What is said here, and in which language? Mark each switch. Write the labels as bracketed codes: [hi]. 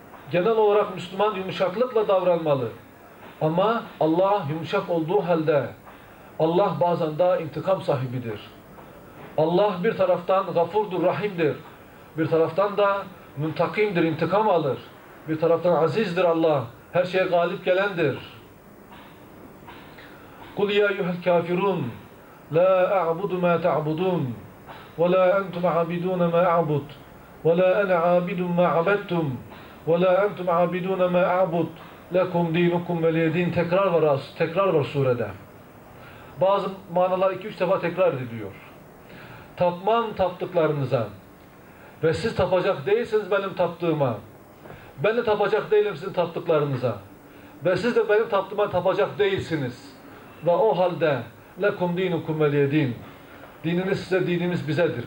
[tr] Genel olarak Müslüman yumuşaklıkla davranmalı. Ama Allah yumuşak olduğu halde Allah bazen daha intikam sahibidir. Allah bir taraftan gafurdur, rahimdir. Bir taraftan da müntakimdir, intikam alır. Bir taraftan azizdir Allah, her şeye galip gelendir. [ar] قُلْ يَا اَيُّهَا الْكَافِرُونَ لَا اَعْبُدُ مَا تَعْبُدُونَ وَلَا أَنْتُمْ عَابِدُونَ مَا أَعْبُدْ وَلَا أَنَا عَابِدٌ مَا عَبَدْتُمْ وَلَا أَنْتُمْ عَابِدُونَ مَا أَعْبُدْ لَكُمْ دِينُكُمْ وَلِيَدِينَ [tr] Tekrar var aslında, tekrar var surede. Bazı manalar 2-3 defa tekrar ediliyor. Tapmam taptıklarınıza ve siz tapacak değilsiniz benim taptığıma. Ben de tapacak değilim sizin taptıklarınıza. Ve siz de benim taptığıma tapacak değilsiniz. Ve o halde [ar] لَكُمْ دِينُكُمْ وَلِيَدِينَ [tr] Dininiz size, dininiz bizedir.